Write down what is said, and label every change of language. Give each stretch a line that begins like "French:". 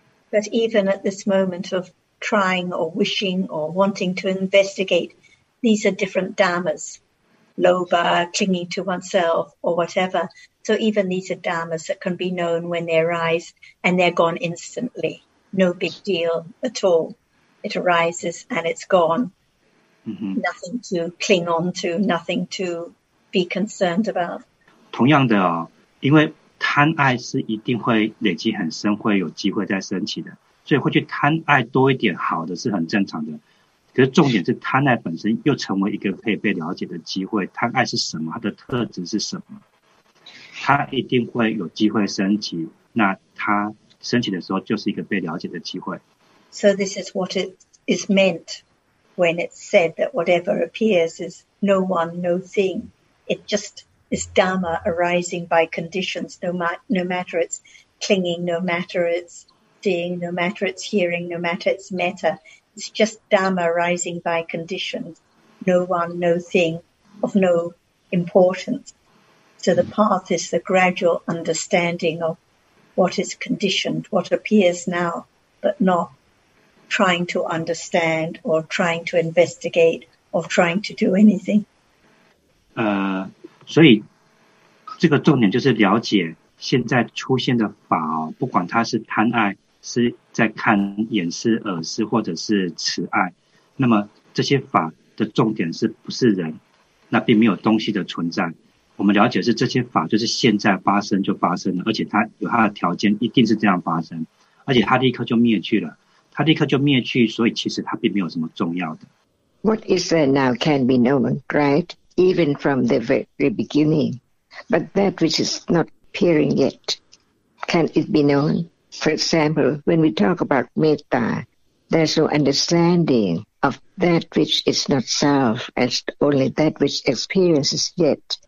English: But even at this moment of trying or wishing or wanting to investigate, these are different dharmas. Lobha, clinging to oneself, or whatever. So even these are dharmas that can be known when they arise, and they're gone instantly. No big deal at all. It arises and it's gone. Mm-hmm. Nothing to cling on to, nothing to be concerned about.
Chinese: 同样的哦，因为贪爱是一定会累积很深，会有机会再升起的，所以会去贪爱多一点好的是很正常的。可是重点是贪爱本身又成为一个可以被了解的机会，贪爱是什么，它的特质是什么。它一定会有机会升级，那它升级的时候就是一个被了解的机会。
English: So this is what it is meant when it's said that whatever appears is no one, no thing. It just is Dharma arising by conditions, no matter its clinging, no matter its seeing, no matter its hearing, no matter its metta. It's just Dharma arising by conditions, no one, no thing, of no importance. So the path is the gradual understanding of what is conditioned, what appears now, but not trying to understand or trying to investigate or trying to do anything.
Chinese: 所以这个重点就是了解现在出现的法，不管它是贪爱，是在看眼识、耳识，或者是慈爱，那么这些法的重点是不是人，那并没有东西的存在。我们了解是这些法就是现在发生就发生了，而且它有它的条件，一定是这样发生，而且它立刻就灭去了，它立刻就灭去，所以其实它并没有什么重要的。
English: What is there now can be known, right? Even from the very beginning. But that which is not appearing yet, can it be known? For example, when we talk about metta, there's no understanding of that which is not self, as only that which experiences yet.